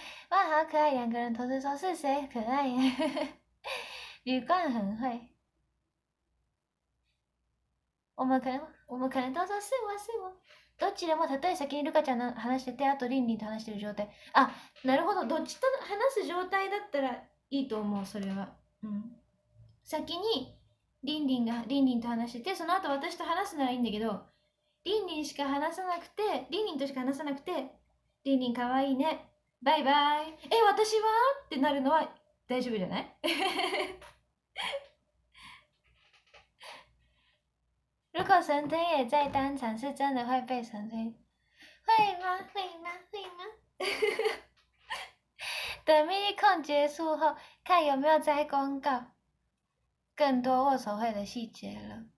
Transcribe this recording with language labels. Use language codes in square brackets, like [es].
[zh] 哇，好可爱！两个人同时说是谁可爱耶？旅馆很会，我们可能都说是我是我。 [ja] どっちでも例え先にルカちゃんの話してて、あとリンリンと話してる状態。あ、なるほど。どっちと話す状態だったらいいと思う、それは。先にリンリンがリンリンと話してて、その後私と話すならいいんだけど、リンリンしか話さなくて、リンリンとしか話さなくて、リンリン可愛いね。バイバイ。え、私は？ってなるのは大丈夫じゃない？ [zh] 如果神推也在当场，是真的会被神推，会吗？会吗？会吗？等mini con结束后，看有没有再公告更多握手会的细节了。